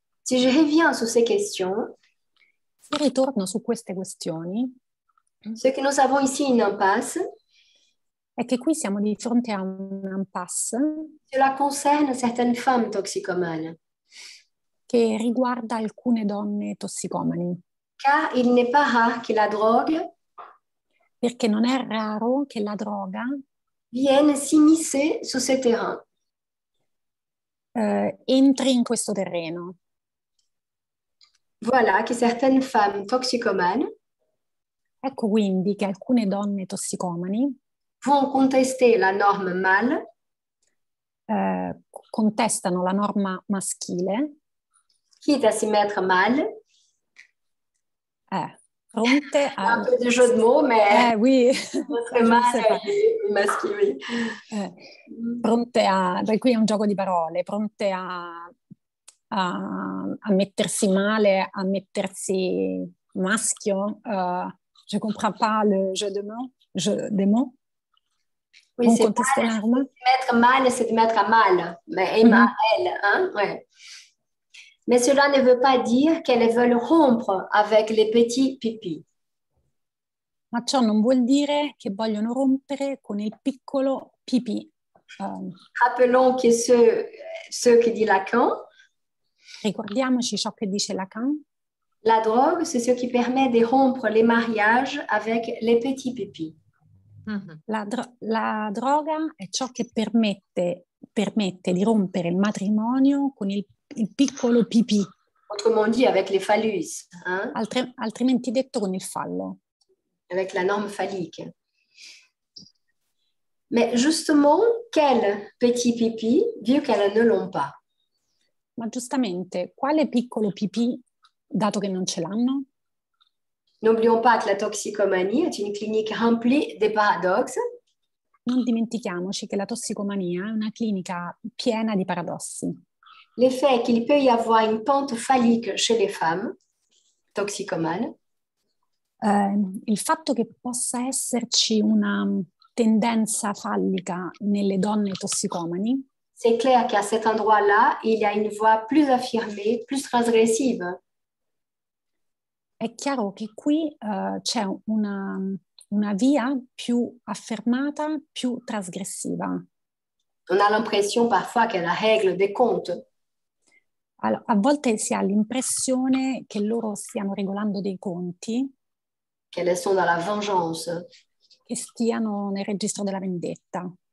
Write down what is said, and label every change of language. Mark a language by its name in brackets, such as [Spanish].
[French] Si je reviens sur ces questions, [Italian] si ritorno su queste questioni, [French] ce que nous avons ici une impasse, [Italian] è che qui siamo di fronte a un impasse, [French] cela concerne certaines femmes toxicomanes, [Italian] che riguarda alcune donne tossicomani. [French] Car il n'est pas rare que la drogue, [Italian] perché non è raro che la droga [French] vienne s'immiscer su ce terrain, [Italian] entri in questo terreno. [French] Voilà que certaines femmes toxicomanes, [Italian] ecco quindi che alcune donne tossicomani [French] vont contester la norme mâle, [Italian] contestano la norma maschile, [French] quitte à s'y mettre mal, [Italian] pronte a... [French] un peu de jeu de mots, mais oui. Votre mâle maschile, oui. [Italian] Pronte a, beh, qui è un gioco di parole, pronte a... a mettersi male, a mettersi maschio. [French] Je comprends pas le jeu de mots. Jeu de mots. Oui, on c'est pas de mettre mal, c'est de mettre à mal. Mais Emma, elle, hein? Ouais. Mais cela ne veut pas dire qu'elles veulent rompre avec les petits pipis. [Italian] Ma ciò non vuol dire che vogliono rompere con il piccolo pipì. [French] Rappelons que ce que dit Lacan. [Italian] Ricordiamoci ciò che dice Lacan. La droga è ciò che permette di rompere i [French] mariage avec les petits pipis. [Italian] La droga è ciò che permette di rompere il matrimonio con il piccolo pipì. [French] Autrement dit, avec les phallus. Hein? [Italian] Altrimenti detto con il fallo. [French] Avec la norme phallique. Mais justement, quel petit pipi, vu qu'elles ne l'ont pas? [Italian] Ma giustamente, quale piccolo pipì, dato che non ce l'hanno? [French] N'oublions pas que la toxicomanie est une clinique remplie de paradoxes. [Italian] Non dimentichiamoci che la tossicomania è una clinica piena di paradossi. [French] L'effet qu'il peut y avoir une pente phallique chez les femmes toxicomanes. [Italian] Il fatto che possa esserci una tendenza fallica nelle donne tossicomani. [French] C'est clair qu'à cet endroit-là, il y a une voix plus affirmée, plus transgressive. [Italian] È chiaro che qui c'è una via più affermata, più trasgressiva. [French] On a l'impression parfois que la règle des comptes. [Italian] Allora, a volte si ha l'impressione che loro stiano regolando dei conti. [French] Qu'elles sont dans la vengeance. [Italian] Che stiano nel registro della vendetta.